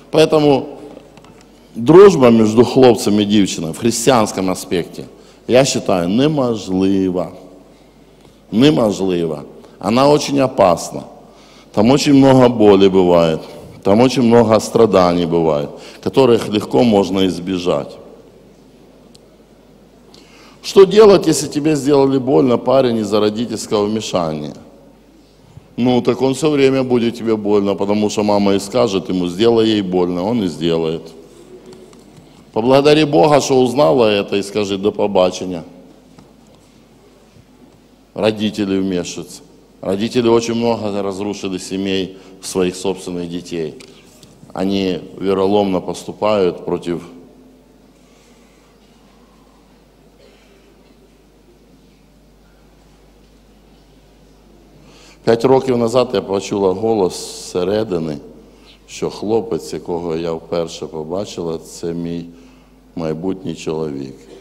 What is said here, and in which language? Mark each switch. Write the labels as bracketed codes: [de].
[uk] Тому дружба між хлопцем і дівчиною в християнському аспекті, я вважаю, неможлива. Неможлива. Вона дуже опасна. Там дуже багато болі буває. Там дуже багато страдань буває, яких легко можна ізбіжати. [ru] Что делать, если тебе сделали больно парень из-за родительского вмешания? Ну, так он все время будет тебе больно, потому что мама и скажет ему, сделай ей больно, он и сделает. Поблагодари Бога, что узнала это, и скажи, [uk] до побачення. [ru] Родители вмешиваются. Родители очень много разрушили семей своих собственных детей. Они вероломно поступают против [uk] П'ять років назад я почула голос зсередини, що хлопець, якого я вперше побачила, це мій майбутній чоловік.